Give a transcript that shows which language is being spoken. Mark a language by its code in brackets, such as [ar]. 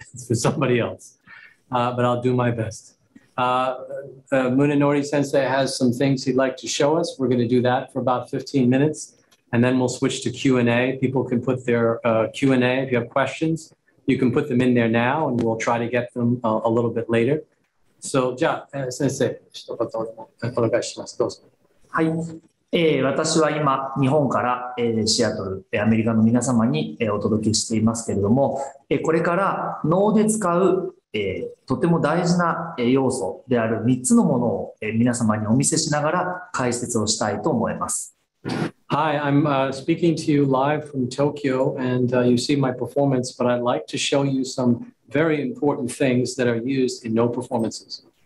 [en] It's for somebody else. But I'll do my best. Munenori Sensei has some things he'd like to show us. We're going to do that for about 15 minutes. And then we'll switch to Q&A. People can put their Q&A if you have questions. You can put them in there now, and we'll try to get them a little bit later. So, [ja] じゃあ、先生、一言お願いします。どうぞ。はい、私は今、日本からシアトル、アメリカの皆様にお届けしていますけれども、これから脳で使う、とても大事な要素である3つのものを皆様にお見せしながら解説をしたいと思います。 [en] Hi, I'm speaking to you live from Tokyo, and you see my performance, but I'd like to show you some very important things that are used in no performances.